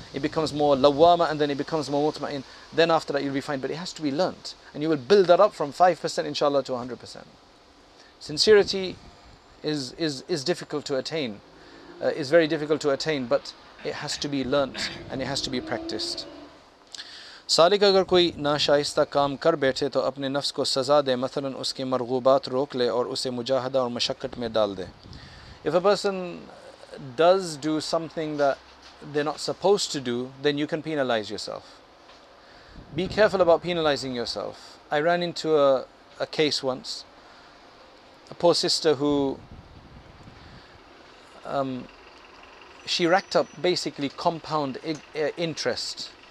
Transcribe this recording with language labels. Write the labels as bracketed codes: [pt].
[en] It becomes more lawama and then it becomes more mutma'in. Then after that, you'll be fine. But it has to be learnt. And you will build that up from 5%, inshallah, to 100%. Sincerity is difficult to attain, is very difficult to attain, but it has to be learnt and it has to be practiced. [ur] سالک اگر کوئی ناشائستہ کام کر بیٹھے تو اپنے نفس کو سزا دے، مثلا اس کی مرغوبات روک لے اور اسے مجاہدہ اور مشقت میں ڈال دے. [en] If a person does do something that they're not supposed to do, then you can penalize yourself. Be careful about penalizing yourself. I ran into a case once. A poor sister who, she racked up basically compound interest.